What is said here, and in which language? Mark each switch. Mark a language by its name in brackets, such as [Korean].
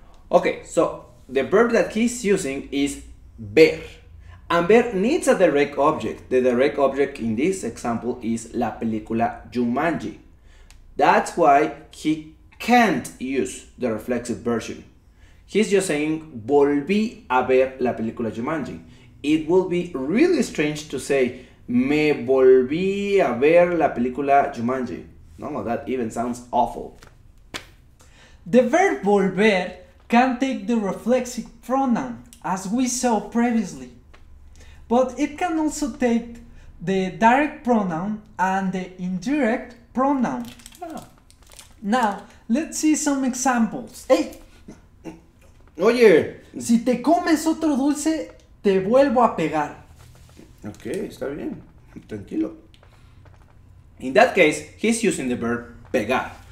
[English] Okay, so the verb that he's using is ver. And ver needs a direct object. The direct object in this example is la película Jumanji. That's why he can't use the reflexive version. He's just saying [Spanish] volví a ver la película Jumanji. [English] It would be really strange to say [Spanish] me volví a ver la película Jumanji. [English] No, that even sounds awful. The verb volver can take the reflexive pronoun, as we saw previously. But it can also take the direct pronoun and the indirect pronoun. Oh. Now, let's see some examples. Hey! Oye! [Spanish] Si te comes otro dulce, te vuelvo a pegar. Okay, está bien. Tranquilo. [English] In that case, he's using the verb pegar.